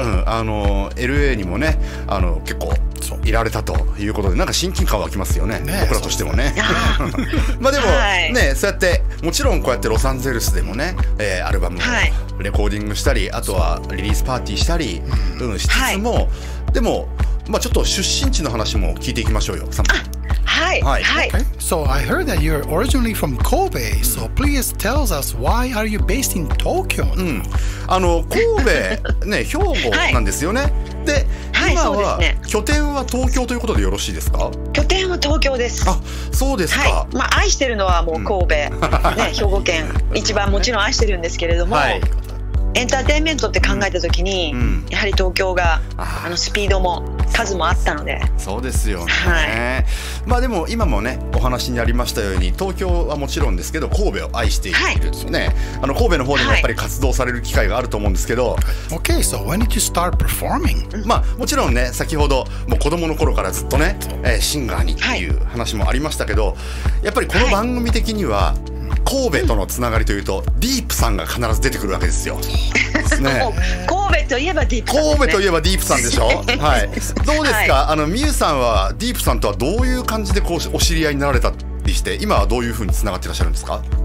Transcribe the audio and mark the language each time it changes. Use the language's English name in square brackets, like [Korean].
[Japanese] うん、LA にもね、結構そういられたということで、なんか親近感湧きますよ ね僕らとしてもね。まあでも、はい、ね、そうやってもちろんこうやってロサンゼルスでもね、アルバムをレコーディングしたり、はい、あとはリリースパーティーしたり、うん、しつつも、はい、でも、まあ、ちょっと出身地の話も聞いていきましょうよ、サム。 [English] Hi. Okay. So I heard that you're originally from Kobe. Mm. So please tell us why are you based in Tokyo? [Japanese] うん、神戸ね、兵庫なんですよね。はい、で、はい、今は拠点は東京ということでよろしいですか？拠点は東京です。あ、そうですか。はい、まあ愛してるのはもう神戸、うん、ね、兵庫県一番もちろん愛してるんですけれども。はい、エンターテインメントって考えた時に、うん、やはり東京が、うん、あのスピードも数もあったので。そうですよね、はい、まあでも今もねお話にありましたように東京はもちろんですけど神戸を愛しているんですよね、はい、あの神戸の方でもやっぱり活動される機会があると思うんですけど、 [English] はい、Okay, so when did you start performing? [Japanese] まあもちろんね先ほどもう子供の頃からずっとね、シンガーにっていう話もありましたけど、はい、やっぱりこの番組的には、はい、神戸とのつながりというと、うん、ディープさんが必ず出てくるわけですよ。ですね、神戸といえばディープさんですね。神戸といえばディープさんでしょ。はい、どうですか、はい、Meyouさんはディープさんとはどういう感じでこうお知り合いになられたりして、今はどういうふうにつながっていらっしゃるんですか？